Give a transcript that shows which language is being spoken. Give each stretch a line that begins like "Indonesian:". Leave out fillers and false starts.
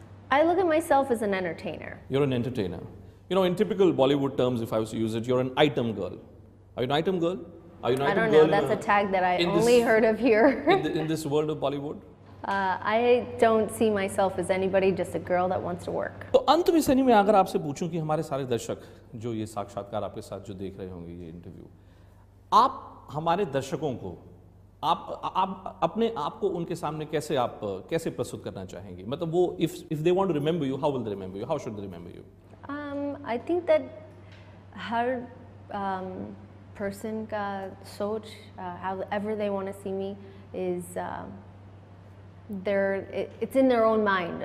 English: I look at myself as an entertainer. You're an entertainer. You know, in typical Bollywood terms, if I was to use it, you're an item girl. Are you an item girl? Are you an item girl? I don't know. That's a tag that I only heard of here. in this world of Bollywood? I don't see myself as anybody, just a girl that wants to work.
Hindi: So, अंत में सनी मैं अगर आपसे पूछूं कि हमारे सारे दर्शक जो ये साक्षात्कार आपके साथ जो देख रहे होंगे ये इंटरव्यू, आप हमारे दर्शकों को आप अपने आप को उनके सामने कैसे आप कैसे प्रस्तुत करना चाहेंगे? मतलब वो
English: if they want to remember you, how will they remember you? How should they remember you? I think that
Hindi: हर
English: person
Hindi: का सोच
English: however they want to see me is it's in their own mind.